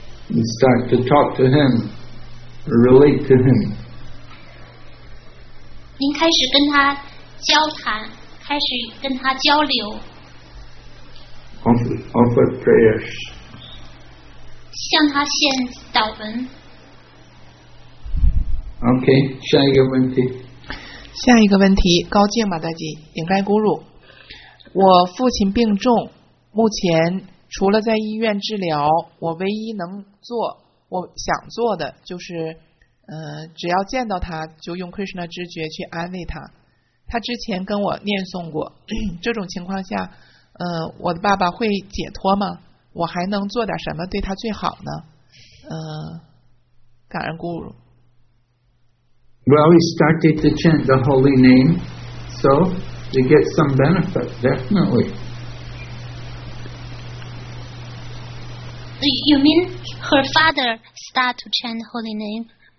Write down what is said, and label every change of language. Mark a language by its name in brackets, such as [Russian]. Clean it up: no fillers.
[English] You start to talk to him, relate to him. [Chinese] 您开始跟他交谈，开始跟他交流。 [English] Offer prayers. [Chinese] 向他献祷文。 Okay, 下一个问题。下一个问题，高静马大姐，顶盖咕噜。我父亲病重，目前除了在医院治疗，我唯一能做，我想做的就是。只要见到他就用 Krishna 知觉去安慰他，他之前跟我念诵过，这种情况下我的爸爸会解脱吗？我还能做点什么对他最好呢？感恩咕噜。 [English] Well, we started to chant the holy name, so you get some benefit, definitely. You mean her father start to chant the holy name?